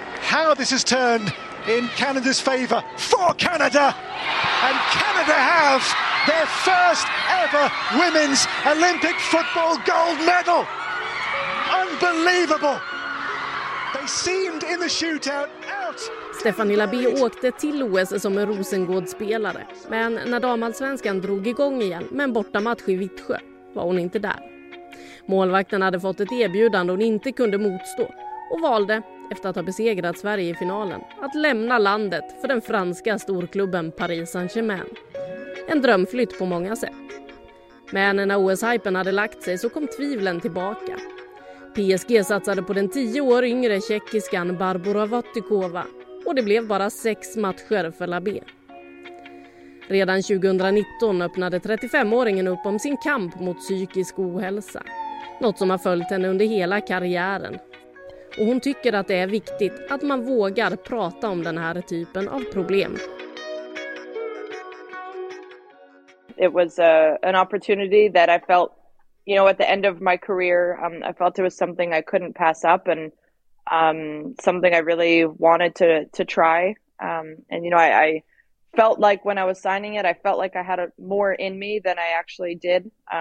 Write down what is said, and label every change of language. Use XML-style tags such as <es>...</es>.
<en>How this has turned in Canada's favour for Canada! And Canada have their first ever women's Olympic football gold medal! Unbelievable! They seemed in the shootout out.</en> <sv>Stefanie Labbé åkte till OS som en Rosengårdsspelare, men när damallsvenskan drog igång igen med en bortamatch i Vittsjö var hon inte där. Målvakten hade fått ett erbjudande hon inte kunde motstå och valde, efter att ha besegrat Sverige i finalen, att lämna landet för den franska storklubben Paris Saint-Germain. En drömflytt på många sätt. Men när OS-hypen hade lagt sig så kom tvivlen tillbaka. PSG satsade på den 10 år yngre tjeckiskan Barbora Vatikova. Och det blev bara 6 matcher för Labbé. Redan 2019 öppnade 35-åringen upp om sin kamp mot psykisk ohälsa. Något som har följt henne under hela karriären. Och hon tycker att det är viktigt att man vågar prata om den här typen av problem.</sv> <en>It was an opportunity that I felt, you know, at the end of my career, I felt it was something I couldn't pass up, and something I really wanted to try. And, you know, I felt like when I was signing it, I felt like I had more in me than I actually did.</en>